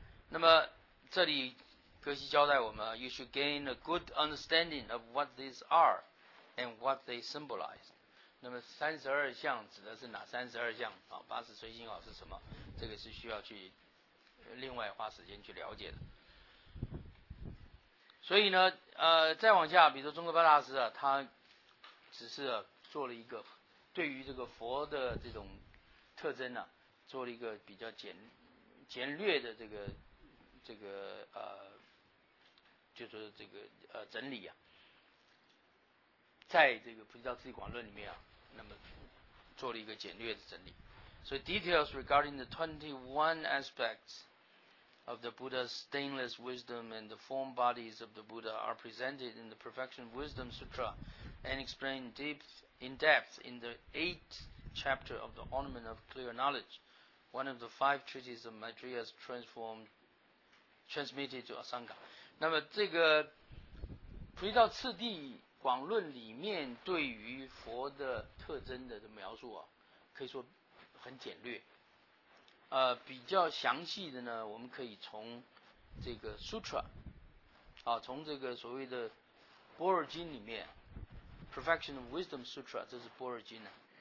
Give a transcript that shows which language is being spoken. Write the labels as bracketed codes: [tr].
[zh] 那么这里格西交代我们 [en] You should gain a good understanding of what these are and what they symbolize. [zh] 那么32相指的是哪32相、啊、80随行好是什么，这个是需要去另外花时间去了解的。所以呢再往下，比如说中国八大师啊，他只是、啊、做了一个对于这个佛的这种特征啊，做了一个比较简略的这个就是这个整理啊，在这个菩提道次第广论里面啊，那么做了一个简略的整理。 [en] 所以 details regarding the 21 aspects of the Buddha's stainless wisdom and the form bodies of the Buddha are presented in the Perfection Wisdom Sutra and explained in depth in the 8th chapter of the Ornament of Clear Knowledge, one of the 5 treatises of Maitreya's transmitted to Asanga. [zh] 那么这个菩提道次第广论里面对于佛的特征的描述啊，可以说很简略。比较详细的呢，我们可以从这个 Sutra 啊，从这个所谓的般若经里面 [en] Perfection of Wisdom Sutra， [zh] 这是般若经啊。